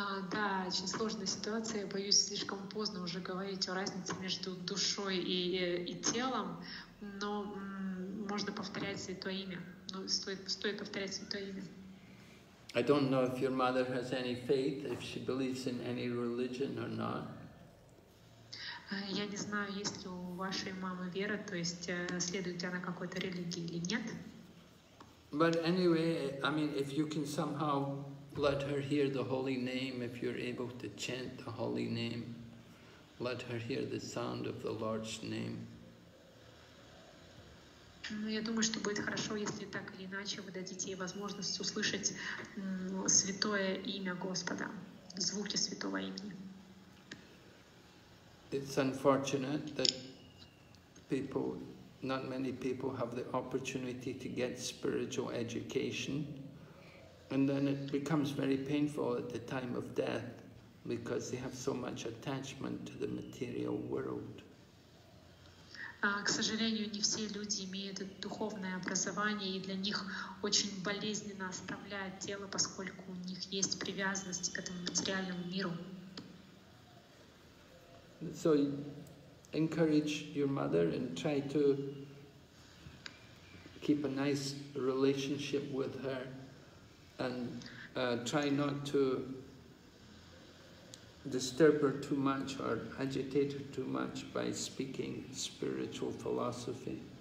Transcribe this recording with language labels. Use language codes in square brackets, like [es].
[ru] Да, очень сложная ситуация. Боюсь, слишком поздно уже говорить о разнице между душой и телом. Но можно повторять святое имя. Но стоит повторять святое имя. [en] I don't know if your mother has any faith, if she believes in any religion or not. [ru] Я не знаю, есть ли у вашей мамы вера, то есть следует ли она какой-то религии или нет. [en] But anyway, I mean, if you can somehow let her hear the holy name, if you're able to chant the holy name, let her hear the sound of the Lord's name. [ru] Ну, я думаю, что будет хорошо, если так или иначе вы дадите ей возможность услышать святое имя Господа, звуки святого имени. [en] It's unfortunate that people, not many people, have the opportunity to get spiritual education, and then it becomes very painful at the time of death because they have so much attachment to the material world. [ru] К сожалению, не все люди имеют духовное образование, и для них очень болезненно оставляет тело, поскольку у них есть привязанность к этому материальному миру. [en] So encourage your mother and try to keep a nice relationship with her and try not to disturb her too much or agitate her too much by speaking spiritual philosophy.